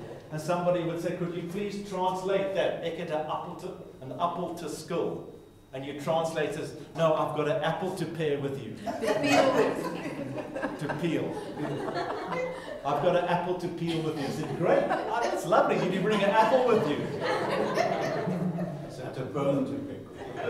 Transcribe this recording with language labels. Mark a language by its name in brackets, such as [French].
[English] And somebody would say, could you please translate that? [Afrikaans] Ek het 'n appel te, [English] an apple to [Afrikaans] skil. [English] And you translate as, no, I've got an apple to pair with you. To peel. I've got an apple to peel with you. I said, great, that's lovely. Did you bring an apple with you? So, a bone to pick with you.